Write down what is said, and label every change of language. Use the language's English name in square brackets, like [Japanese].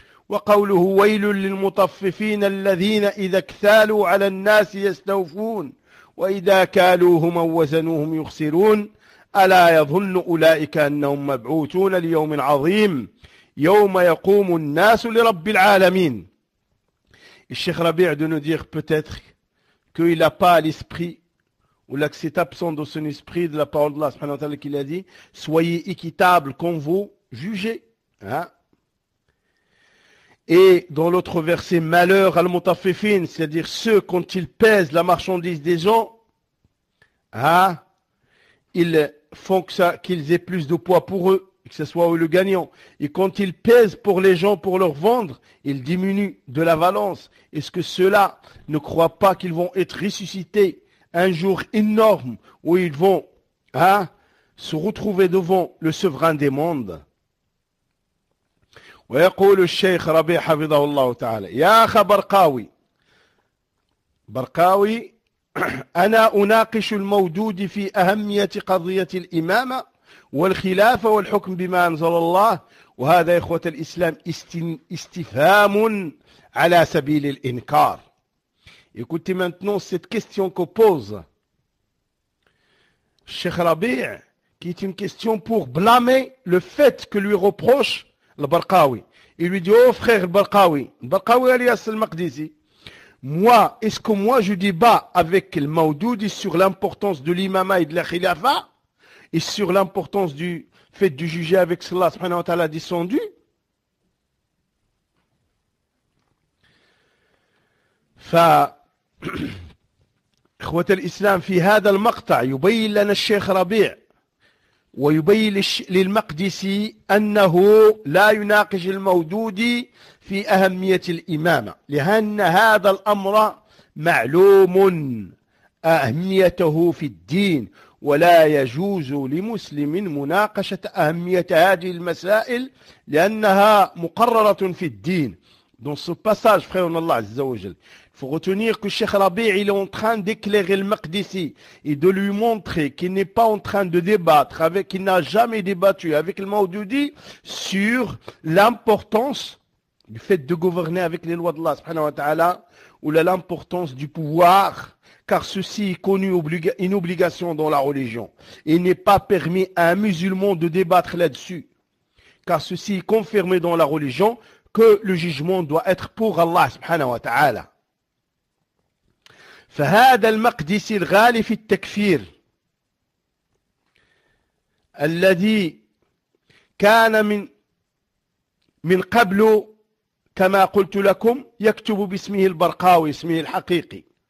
[Arabic] وقوله ويل للمطففين الذين إذا اكتالوا على الناس يستوفون وإذا كالوهم أو وزنوهم يخسرون ألا يظن أولئك أنهم مبعوثون ليوم عظيم يوم يقوم الناس لرب العالمين. [French] الشيخ ربيع de nous dire peut-être qu'il n'a pas l'esprit ou là que c'est absent de son esprit de la parole d'Allah subhanahu wa ta'ala qu'il a dit soyez équitables quand vous jugez, hein. Et dans l'autre verset, malheur al-mutaffifin, c'est-à-dire ceux quand ils pèsent la marchandise des gens, hein, ils font que ça, qu'ils aient plus de poids pour eux, que ce soit eux le gagnant. Et quand ils pèsent pour les gens pour leur vendre, ils diminuent de la valence. Est-ce que ceux-là ne croient pas qu'ils vont être ressuscités un jour énorme où ils vont, hein, se retrouver devant le souverain des mondes? [Arabic] ويقول الشيخ ربيع حفظه الله تعالى يا أخ برقاوي أنا أناقش المودود في أهمية قضية الإمامة والخلافة والحكم بما أنزل الله وهذا إخوة الإسلام استفهام على سبيل الإنكار. [French] Écoutez maintenant cette question que pose الشيخ ربيع qui est une question pour blâmer le fait que lui reproche le برقاوي. Il lui dit, oh frère Barqawi, Barqawi alias al-Maqdisi, moi, est-ce que moi je débat avec le Maududi sur l'importance de l'imama et de la khilafa et sur l'importance du fait de juger avec ce qu'Allah subhanahu wa ta'ala descendu? [Arabic] Fa Khwat al-Islam fi hada al-maqta yubayyin lana al-Sheikh Rabi' ويبين للمقدسي أنه لا يناقش المودودي في أهمية الإمامة، لأن هذا الأمر معلوم أهميته في الدين، ولا يجوز لمسلم مناقشة أهمية هذه المسائل لأنها مقررة في الدين. [French] Dans ce passage, frère Allah Azza wa Jal, il faut retenir que Cheikh Rabi' il est en train d'éclairer le Maqdisi et de lui montrer qu'il n'est pas en train de débattre avec, qu'il n'a jamais débattu avec le Maududi sur l'importance du fait de gouverner avec les lois d'Allah subhanahu wa ta'ala ou l'importance du pouvoir, car ceci est connu une obligation dans la religion. Il n'est pas permis à un musulman de débattre là-dessus, car ceci est confirmé dans la religion que le jugement doit être pour Allah subhanahu wa ta'ala. [Arabic] فهذا المقدس الغالي في التكفير الذي كان من قبل كما قلت لكم يكتب باسمه البرقاوي اسمه الحقيقي